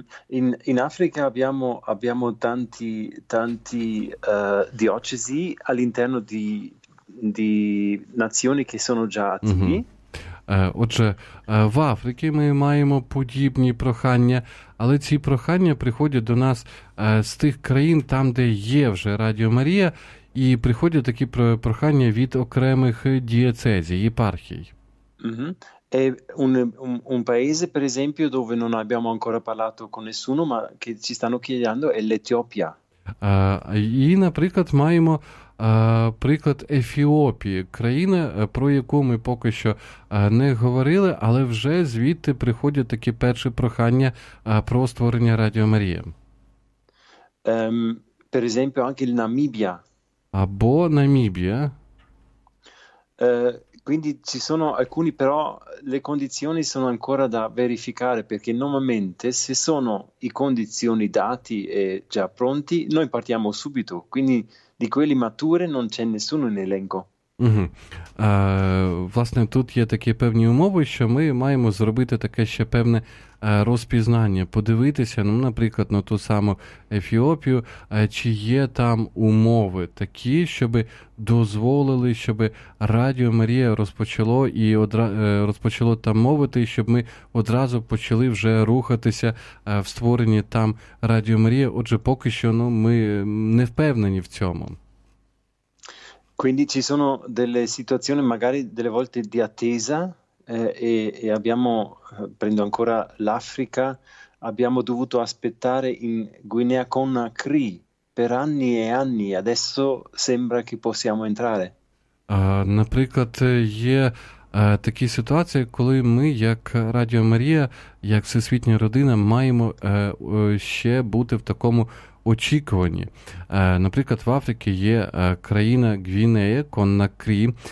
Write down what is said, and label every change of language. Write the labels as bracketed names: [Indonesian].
[Italian] In Africa abbiamo tanti diocesi all'interno di nazioni che sono già attivi. Mm-hmm. [Ukrainian] Отже, в Африці ми маємо подібні прохання, але ці прохання приходять до нас з тих країн, там, де є вже Радіо Марія, і приходять такі прохання від окремих дієцезій, єпархій. Угу. [Italian] È un paese, per esempio, dove non abbiamo ancora parlato con nessuno, ma che ci stanno chiedendo è l'Etiopia. [Ukrainian] І, наприклад, маємо приклад Ефіопії, країна, про яку ми поки що не говорили, але вже звідти приходять такі перші прохання про створення Радіо Марія. [Italian] Per esempio anche il Namibia. [Ukrainian] Або Намібія. [Italian] Quindi ci sono alcuni, però le condizioni sono ancora da verificare, perché normalmente se sono i condizioni dati e già pronti, noi partiamo subito, quindi di quelli mature non c'è nessuno in elenco. Угу. [Ukrainian] Власне, тут є такі певні умови, що ми маємо зробити таке ще певне розпізнання, подивитися, ну, наприклад, на ту саму Ефіопію, чи є там умови такі, щоб дозволили, щоб Радіо Марія розпочало і розпочало там мовити, щоб ми одразу почали вже рухатися в створенні там Радіо Марія. Отже, поки що, ну, ми не впевнені в цьому. [Italian] Quindi ci sono delle situazioni, magari delle volte di attesa, e abbiamo, prendo ancora l'Africa, abbiamo dovuto aspettare in Guinea Conakry per anni e anni, adesso sembra che possiamo entrare. [Ukrainian] Наприклад, є такі ситуації, коли ми, як Радіо Марія, як всесвітня родина, маємо ще бути в такому очікуванні. Наприклад, в Африці є країна Гвінея, Коннакрі,